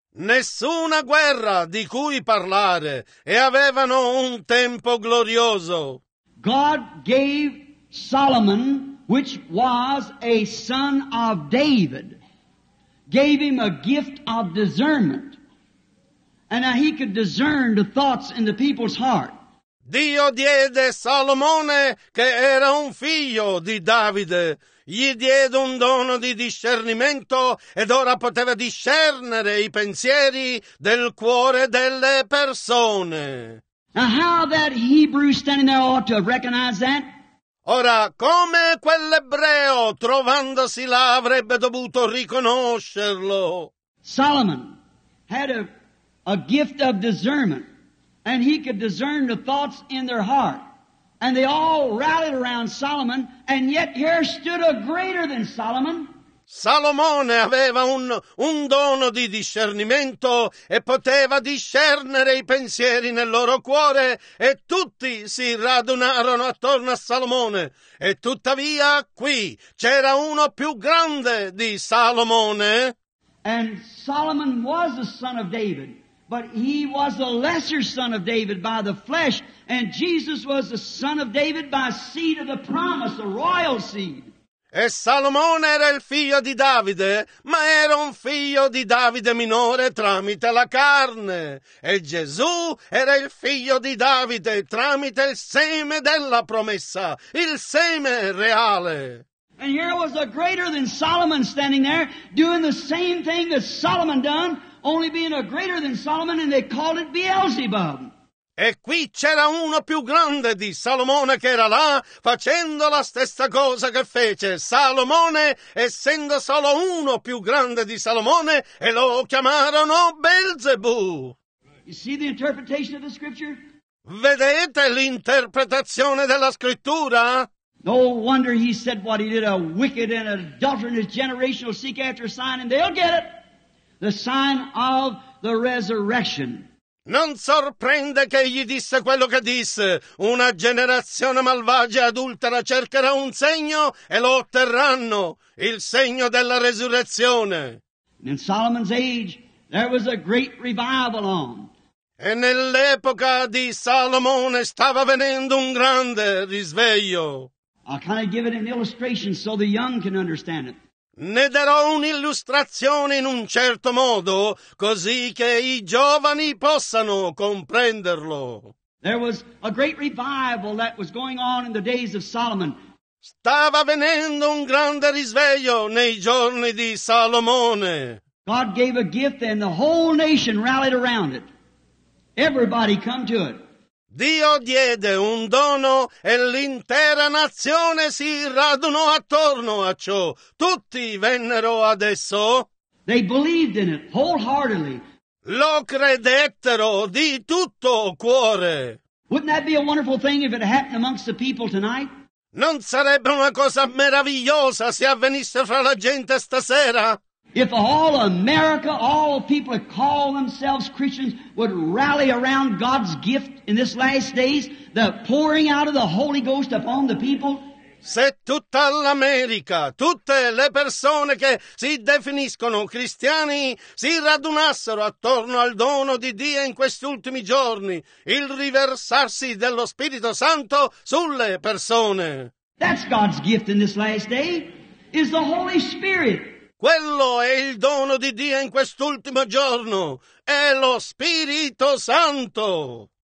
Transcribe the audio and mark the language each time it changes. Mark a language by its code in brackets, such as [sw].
[it] Nessuna guerra di cui parlare. E avevano un tempo glorioso. [en] God gave Solomon, which was a son of David, gave him a gift of discernment. And now he could discern the thoughts in the people's heart. [it] Dio diede Salomone, che era un figlio di Davide, gli diede un dono di discernimento ed ora poteva discernere i pensieri del cuore delle persone. [en] Now how that Hebrew standing there ought to recognize that? [it] Ora, come quell'ebreo trovandosi là avrebbe dovuto riconoscerlo? [en] Solomon had a gift of discernment, and he could discern the thoughts in their heart. And they all rallied around Solomon, and yet here stood a greater than Solomon. [it] Salomone aveva un dono di discernimento e poteva discernere i pensieri nel loro cuore e tutti si radunarono attorno a Salomone. E tuttavia qui c'era uno più grande di Salomone. [en] And Solomon was the son of David, but he was the lesser son of David by the flesh, and Jesus was the son of David by seed of the promise, the royal seed. [it] E Salomone era il figlio di Davide, ma era un figlio di Davide minore tramite la carne. E Gesù era il figlio di Davide tramite il seme della promessa, il seme reale. [en] And here was a greater than Solomon standing there doing the same thing that Solomon done, only being a greater than Solomon, and they called it Beelzebub. [it] E qui c'era uno più grande di Salomone che era là facendo la stessa cosa che fece Salomone, essendo solo uno più grande di Salomone, e lo chiamarono Belzebù. [en] You see the interpretation of the scripture? [it] Vedete l'interpretazione della scrittura? [en] No wonder he said what he did, a wicked and adulterous generation will seek after a sign and they'll get it, the sign of the resurrection. [it] Non sorprende che egli disse quello che disse. Una generazione malvagia e adultera cercherà un segno e lo otterranno, il segno della resurrezione. [en] In Solomon's age, there was a great revival on. [it] E nell'epoca di Salomone stava venendo un grande risveglio. [en] I'll kind of give it an illustration so the young can understand it. [it] Ne darò un'illustrazione in un certo modo, così che i giovani possano comprenderlo. [en] There was a great revival that was going on in the days of Solomon. [it] Stava venendo un grande risveglio nei giorni di Salomone. [en] God gave a gift and the whole nation rallied around it. Everybody come to it. [it] Dio diede un dono e l'intera nazione si radunò attorno a ciò. Tutti vennero adesso. [en] They believed in it wholeheartedly. [it] Lo credettero di tutto cuore. [en] Wouldn't that be a wonderful thing if it happened amongst the people tonight? [it] Non sarebbe una cosa meravigliosa se avvenisse fra la gente stasera? [en] If all America, all the people that call themselves Christians would rally around God's gift in this last days, the pouring out of the Holy Ghost upon the people. [it] Se tutta l'America, tutte le persone che si definiscono cristiani, si radunassero attorno al dono di Dio in questi ultimi giorni, il riversarsi dello Spirito Santo sulle persone. [en] That's God's gift in this last day, is the Holy Spirit. [it] Quello è il dono di Dio in quest'ultimo giorno, è lo Spirito Santo.